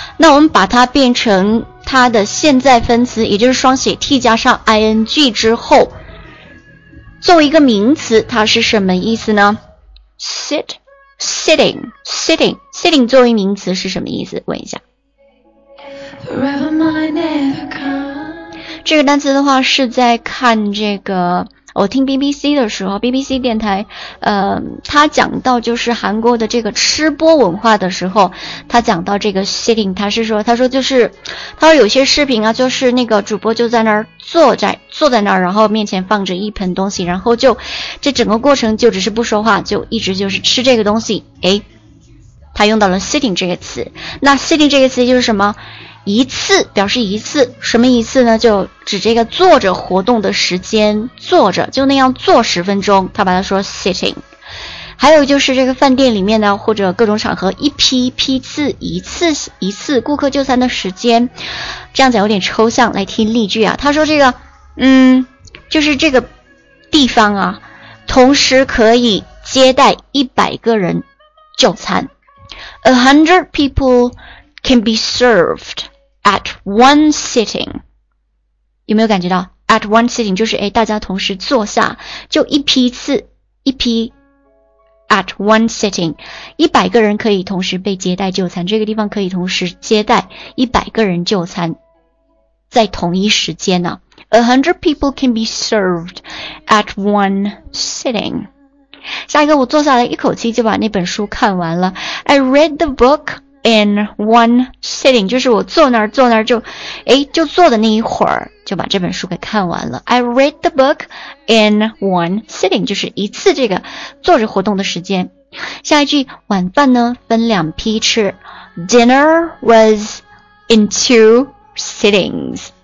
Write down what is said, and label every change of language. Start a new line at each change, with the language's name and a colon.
Chinese: 那我们把它变成它的现在分词，也就是双写 t 加上 ing 之后，作为一个名词，它是什么意思呢？ sitting 作为名词是什么意思？问一下。
English: Forever might never come.
Chinese: 这个单词的话是在看这个。我听 BBC 的时候， BBC 电台他讲到就是韩国的这个吃播文化的时候，他讲到这个 sitting， 他说就是，他说有些视频啊，就是那个主播就在那儿坐在那儿，然后面前放着一盆东西，然后就这整个过程就只是不说话，就一直就是吃这个东西。诶，他用到了 sitting 这个词。那 sitting 这个词就是什么？一次，表示一次。什么一次呢？就指这个坐着活动的时间，坐着就那样坐十分钟，他把它说 sitting。还有就是这个饭店里面呢，或者各种场合，一批批次，一次一次顾客就餐的时间，这样子有点抽象。来听例句啊，他说这个，就是这个地方啊，同时可以接待100个人就餐。
English: 100 people can be served at one sitting。
Chinese: 有没有感觉到
English: at one sitting
Chinese: 就是大家同时坐下，就一批次一批。
English: At one sitting,
Chinese: 100个人可以同时被接待就餐，这个地方可以同时接待100个人就餐，在同一时间呢。
English: 100 people can be served at one sitting.
Chinese: 下一个，我坐下来一口气就把那本书看完了。
English: I read the book in one sitting,
Chinese: 就是我坐那儿就坐的那一会儿就把这本书给看完了。I read the book in one sitting, 就是一次这个坐着活动的时间。下一句，晚饭呢分两批吃。
English: Dinner was in two sittings.